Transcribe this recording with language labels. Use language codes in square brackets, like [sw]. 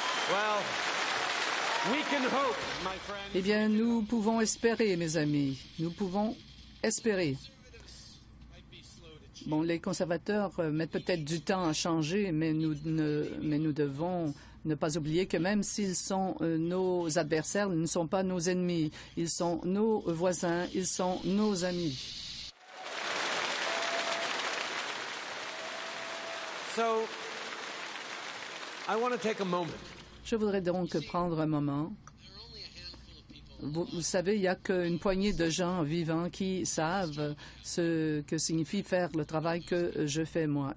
[en] Well, we can hope, my friends. [fr] Eh bien, nous pouvons espérer, mes amis. Nous pouvons espérer. Bon, les conservateurs mettent peut-être du temps à changer, mais nous devons ne pas oublier que même s'ils sont nos adversaires, ils ne sont pas nos ennemis. Ils sont nos voisins, ils sont nos amis. [en] So, I want to take a moment. [fr] Je voudrais donc prendre un moment. Vous savez, il n'y a qu'une poignée de gens vivants qui savent ce que signifie faire le travail que je fais, moi.